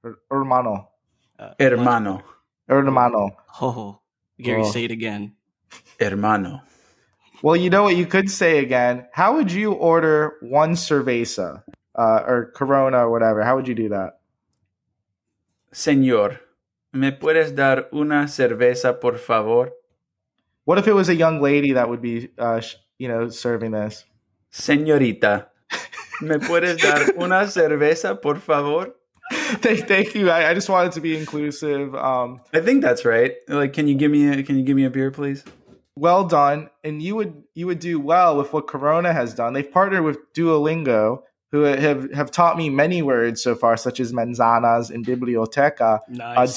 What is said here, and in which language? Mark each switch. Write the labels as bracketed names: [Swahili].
[Spanish] Hermano. Hermano. Hermano. [English] Oh, Gary, say it again. [Spanish] Hermano. [English] Well, you know what you could say again? How would you order one cerveza or Corona or whatever? How would you do that? [Spanish] Señor, ¿me puedes dar una cerveza, por favor? [English] What if it was a young lady that would be, serving this? [Spanish] Señorita, ¿me puedes dar una cerveza, por favor? [English] Thank you. I just wanted to be inclusive. I think that's right. Like, can you give me a beer, please? Well done. And you would do well with what Corona has done. They've partnered with Duolingo, who have taught me many words so far, such as manzanas and biblioteca. Nice.